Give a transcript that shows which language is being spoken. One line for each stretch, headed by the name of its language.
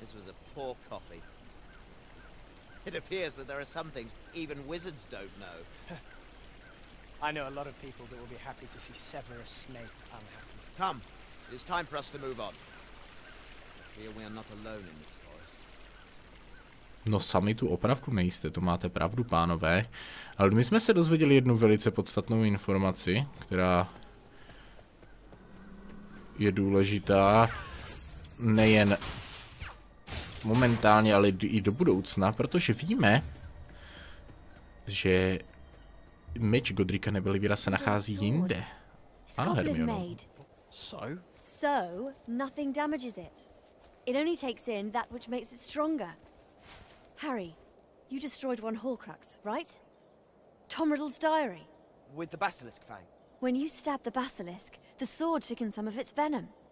English: This was a poor copy. It appears that there are some things even wizards don't know. I know a lot of people that will be happy to see Severus Snape unhappy. Come, it is time for us to move on. I fear we are not alone in this forest.
Czech: No sami tu opravdu nejste, to máte pravdu, pánové. Ale my jsme se dozvěděli jednu velice podstatnou informaci, která je důležitá nejen momentálně, ale i do budoucna, protože víme, že meč Godrika Neville Vira se nachází jinde. Ano, Hermione.
English: So, nothing damages it. It only takes in that which makes it stronger. Harry, you destroyed one Horcrux, right? Tom Riddle's diary. With the basilisk fang. When you stabbed the basilisk, the sword took in some of its venom.